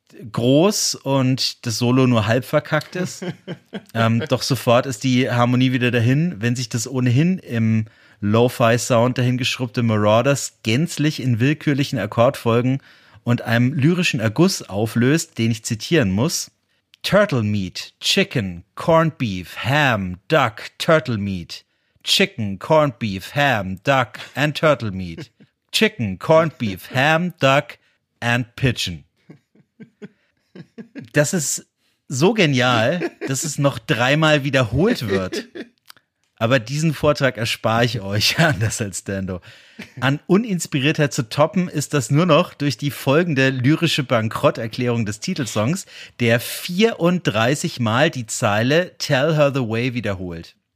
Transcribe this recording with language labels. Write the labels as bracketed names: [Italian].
[German] Groß und das Solo nur halb verkackt ist. Doch sofort ist die Harmonie wieder dahin, wenn sich das ohnehin im Lo-Fi-Sound dahingeschrubbte Marauders gänzlich in willkürlichen Akkordfolgen und einem lyrischen Erguss auflöst, den ich zitieren muss. [English] Turtle meat, chicken, corned beef, ham, duck, turtle meat. Chicken, corned beef, ham, duck and turtle meat. Chicken, corned beef, ham, duck and pigeon. [German] Das ist so genial, dass es noch dreimal wiederholt wird. Aber diesen Vortrag erspare ich euch, anders als Dando. An Uninspiriertheit zu toppen ist das nur noch durch die folgende lyrische Bankrotterklärung des Titelsongs, der 34 Mal die Zeile Tell Her The Way wiederholt.